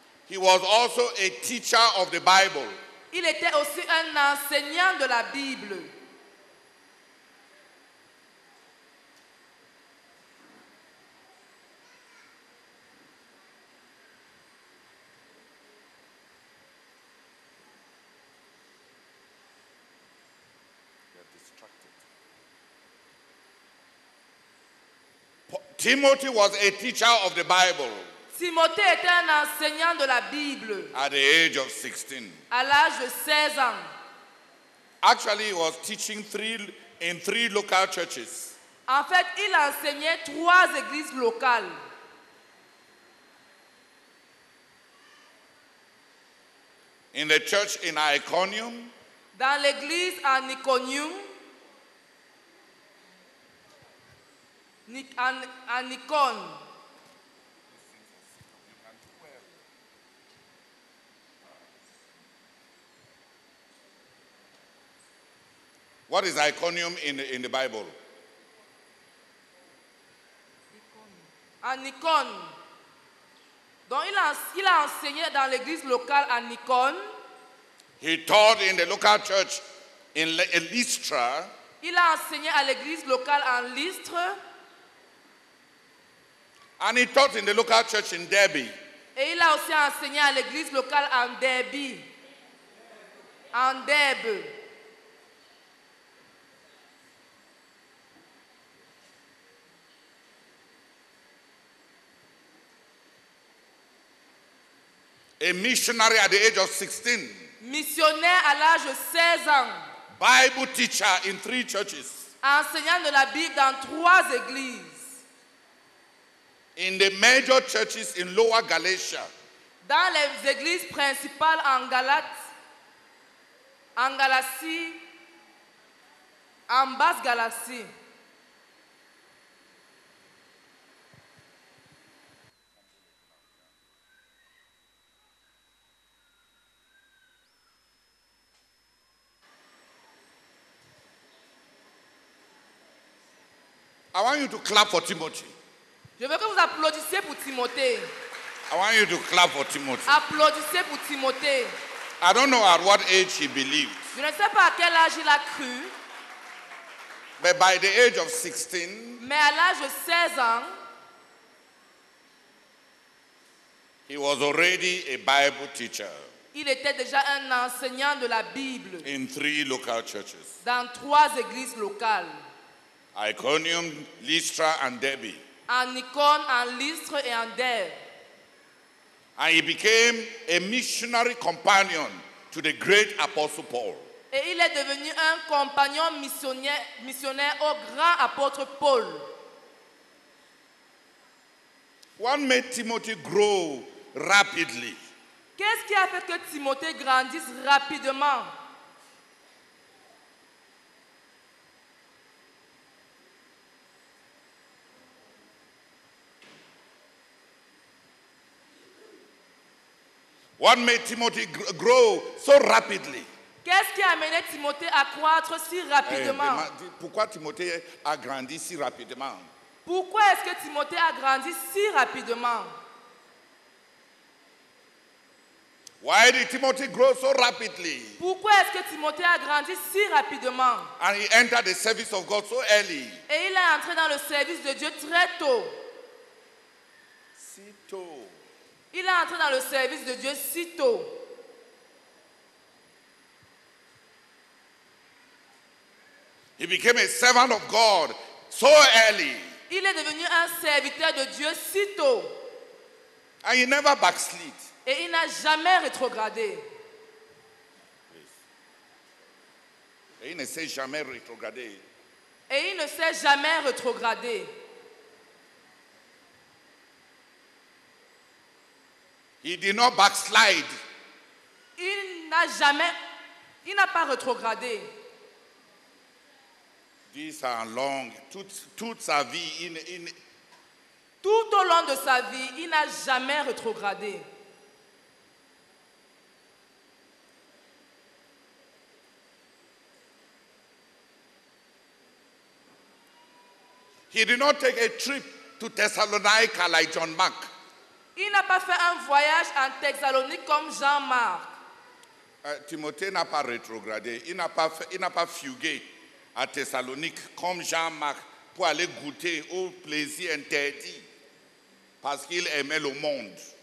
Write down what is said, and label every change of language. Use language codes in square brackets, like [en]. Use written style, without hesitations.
[en] he was also a teacher of the Bible. [fr] Il était aussi un enseignant de la Bible. [en] Timothy was a teacher of the Bible. [fr] Timothée était un enseignant de la Bible. [en] At the age of 16. [fr] À l'âge de 16 ans. [en] Actually, he was teaching in three local churches. [fr] En fait, il enseignait trois églises locales. [en] In the church in Iconium. [fr] Dans l'église en Iconium. Nikon. [en] What is Iconium in the Bible? [fr] Nikon. Donc il a enseigné dans l'église locale à Nikon. [en] He taught in the local church in Lystra. [fr] Il a enseigné à l'église locale en Lystre. [en] And he taught in the local church in Derby. [fr] Et il a aussi enseigné à l'église locale en Derby. En Derby. [en] A missionary at the age of 16. [fr] Missionnaire à l'âge de 16 ans. [en] Bible teacher in three churches. [fr] Enseignant de la Bible dans trois églises. [en] In the major churches in Lower Galatia. [fr] Dans les églises principales en Galate, en Galatie, en Basse Galatie. [en] I want you to clap for Timothy. [fr] Je veux que vous applaudissiez pour Timothée. [en] I want you to clap for Timothy. [fr] Applaudissez pour Timothée. [en] I don't know at what age he believed. [fr] Je ne sais pas à quel âge il a cru. [en] But by the age of 16. [fr] Mais à l'âge de 16 ans. [en] He was already a Bible teacher. [fr] Il était déjà un enseignant de la Bible. [en] In three local churches. [fr] Dans trois églises locales. [en] Iconium, Lystra and Derby. [fr] En Nikon, en Lystre et en Derbe. [en] And he became a missionary companion to the great apostle Paul. [fr] Et il est devenu un compagnon missionnaire au grand apôtre Paul. [en] What made Timothy grow rapidly? [fr] Qu'est-ce qui a fait que Timothée grandisse rapidement? [en] What made Timothy grow so rapidly? [fr] Qu'est-ce qui a amené Timothée à croître si rapidement? Pourquoi est-ce que Timothée a grandi si rapidement? [en] Why did Timothy grow so rapidly? [fr] Pourquoi est-ce que Timothée a grandi si rapidement? [en] And he entered the service of God so early. [fr] Et il est entré dans le service de Dieu très tôt. Si tôt. Il est entré dans le service de Dieu si tôt. [en] He became a servant of God so early. [fr] Il est devenu un serviteur de Dieu si tôt. [en] And he never backslid. [fr] Et il n'a jamais rétrogradé. Et il ne s'est jamais rétrogradé. Et il ne s'est jamais rétrogradé. [en] He did not backslide. [fr] Il n'a pas rétrogradé. [en] These are long. [fr] Toute sa vie, in. Tout au long de sa vie, il n'a jamais rétrogradé. [en] He did not take a trip to Thessalonica like John Mark. [fr] Il n'a pas fait un voyage en Thessalonique comme Jean-Marc. Timothée n'a pas rétrogradé. Il n'a pas fugué à Thessalonique comme Jean-Marc pour aller goûter au plaisir interdit parce qu'il aimait le monde.